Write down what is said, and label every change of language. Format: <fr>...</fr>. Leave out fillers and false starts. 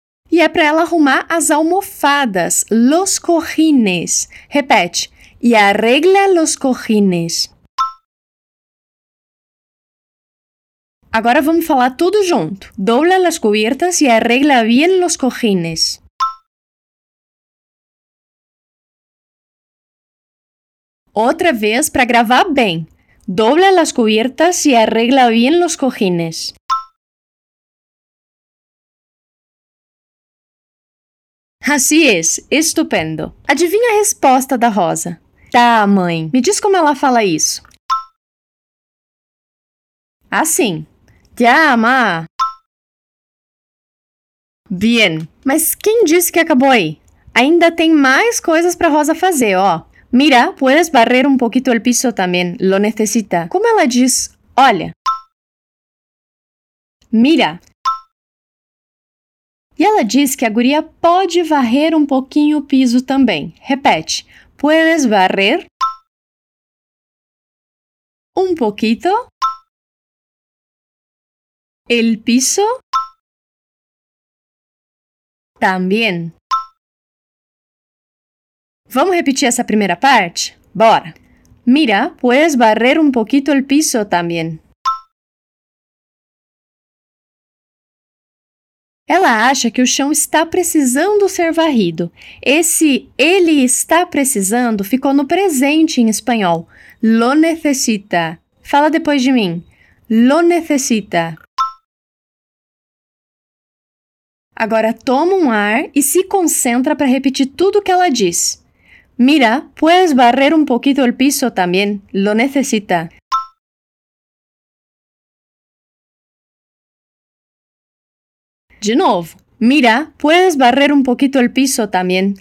<pt>E é para ela arrumar as almofadas,</pt> <es>los cojines.</es> <pt>Repete.</pt> <es>E arregla los cojines.</es> <pt>Agora vamos falar tudo junto.</pt> <es>Dobla las cubiertas y arregla bien los cojines.</es> <pt>Outra vez para gravar bem. Dobla las cubiertas y arregla bien los cojines.</pt> <es>Así es, estupendo.</es> <pt>Adivinha a resposta da Rosa? Tá, mãe. Me diz como ela fala isso.</pt> <es>Assim. Ya, ma.</es> <pt>Bien. Mas quem disse que acabou aí? Ainda tem mais coisas para Rosa fazer, ó.</pt> <es>Mira, puedes barrer un poquito el piso también, lo necesita.</es> <pt>Como ela diz, olha.</pt> <es>Mira.</es> <pt>E ela diz que a guria pode varrer um pouquinho o piso também. Repete.</pt> <es>Puedes barrer un poquito el piso también.</es> <pt>Vamos repetir essa primeira parte? Bora!</pt> <es>Mira, puedes barrer un poquito el piso también.</es> <pt>Ela acha que o chão está precisando ser varrido. Esse ele está precisando ficou no presente em espanhol.</pt> <es>Lo necesita.</es> <pt>Fala depois de mim.</pt> <es>Lo necesita.</es> <pt>Agora toma um ar e se concentra para repetir tudo o que ela diz.</pt> <es>Mira, puedes barrer un poquito el piso también. Lo necesita.</es> <pt>De novo.</pt> <es>Mira, puedes barrer un poquito el piso también.</es>